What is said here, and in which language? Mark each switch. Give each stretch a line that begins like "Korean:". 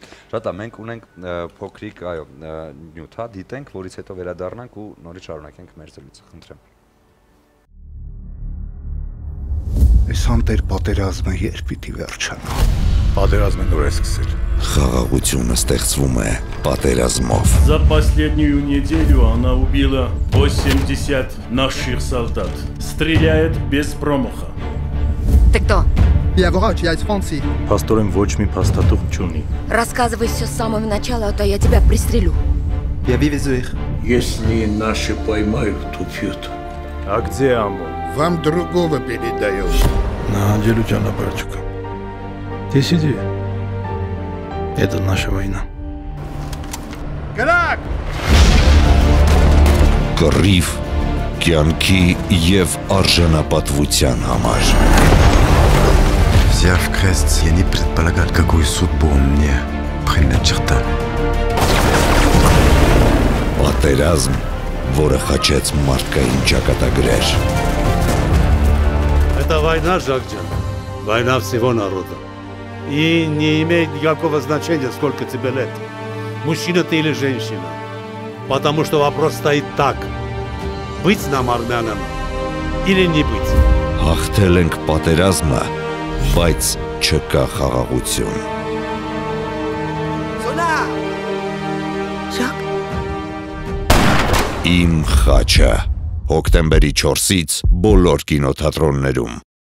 Armenian: Շատ է, մենք ունենք փոքրիկ, այո, նյութ, դիտենք, որից հետո վերադառնանք ու նորից շարունակենք մեր զրույցը, խնդրեմ։ Այս հանտեր պատերազմը երբ պիտի վերջանա։ Պատերազմը նոր է սկսել։ Խաղաղությունը ստեղծվում է պատերազմով։
Russian: За последнюю неделю она убила 80 наших солдат. Стреляет без промаха. Ты кто? Я врач, я из Франции.
Armenian: Пасторем ոչ մի փաստաթուղթ չունի։
Russian: Рассказывай всё с самого начала, а то я тебя пристрелю. Я вывезу их. Если наши поймают, убьют. А где Амон? Вам другого передаю. На Анджелю тебя на парочку. Ты сиди. Это наша война. Крак!
Armenian: Կռիվ, կյանքի և արժանապատվության համար.
Russian: Взяв крест, я не предполагал, какую судьбу он мне предначертал.
Armenian: Պատերազմ, որը խաչեց մարդկային ճակատագրեր։
Russian: Это война, Жак Джан. Война всего народа. И не имеет никакого значения, сколько тебе лет. Мужчина ты или женщина. Потому что вопрос стоит так. Быть нам армянам или не быть?
Armenian: Ахтел ենք պատերազմը, բայց չկա խաղաղություն. Սոնա! Ժակ! Իմ խաչը, հոկտեմբերի 4-ից բոլոր կինոթատրոններում։